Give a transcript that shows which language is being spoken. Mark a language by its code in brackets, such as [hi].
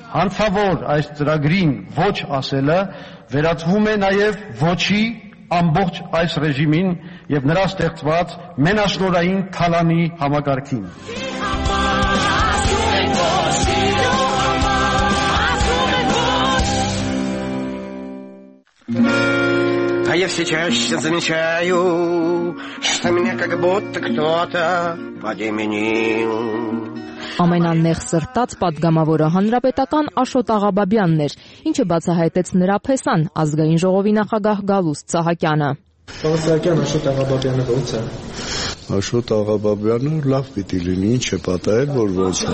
[hy] Հարցավոր այս ծրագրին ոչ ասելը վերածվում է նաև ոչի ամբողջ այս ռեժիմին եւ նրա ստեղծված մենաշնորային թալանի համակարգին։ [ru] Я все чаще замечаю, что меня как будто кто-то подменил. [hy] Ամենանեղ սրտած պատգամավորը հանրապետական Աշոտ Աղաբաբյանն էր, ինչը բացահայտեց նրա փեսան ազգային ժողովի նախագահ Գալուստ Ցահակյանը. Ցահակյան Աշոտ Աղաբաբյանը ո՞նց է։ Աշոտ Աղաբաբյանը լավ պիտի լինի, ինչ է պատահել, որ ո՞նց է։